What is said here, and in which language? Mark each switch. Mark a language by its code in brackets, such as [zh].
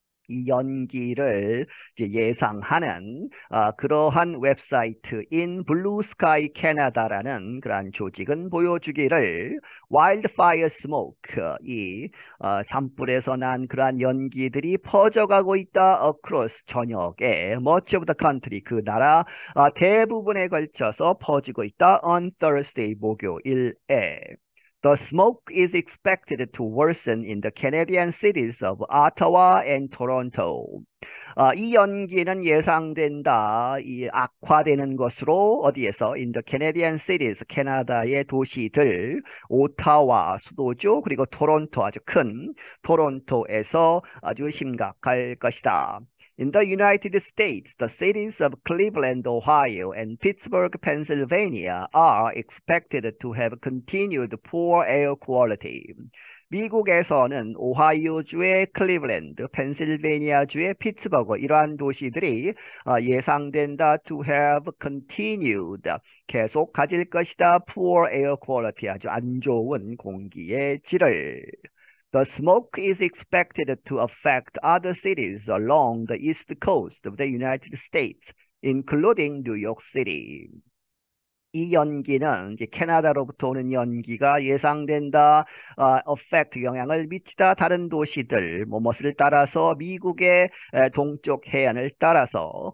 [ko] 이 연기를 이제 예상하는 그러한 웹사이트인 Blue Sky Canada라는 그러한 조직은 보여주기를 [en] Wildfire Smoke, [ko] 이 산불에서 난 그러한 연기들이 퍼져가고 있다 [en] across [ko] 전역에 [en] much of the country, [ko] 그 나라 대부분에 걸쳐서 퍼지고 있다 [en] on Thursday, [ko] 목요일에. [en] The smoke is expected to worsen in the Canadian cities of Ottawa and Toronto. [ko] 이 연기는 예상된다. 이 악화되는 것으로 어디에서? [en] In the Canadian cities, [ko] 캐나다의 도시들, 오타와 수도죠. 그리고 토론토 아주 큰 토론토에서 아주 심각할 것이다. [en] In the United States, the cities of Cleveland, Ohio, and Pittsburgh, Pennsylvania are expected to have continued poor air quality. [ko] 미국에서는 오하이오주의 클리블랜드, 펜실베니아주의 피츠버그 이러한 도시들이 예상된다 [en] to have continued [ko] 계속 가질 것이다. [en] poor air quality [ko] 아주 안 좋은 공기의 질을. [en] The smoke is expected to affect other cities along the east coast of the United States, including New York City. [ko] 이 연기는 이제 캐나다로부터 오는 연기가 예상된다. affect 영향을 미치다. 다른 도시들, 뭐 뭣을 따라서 미국의 동쪽 해안을 따라서.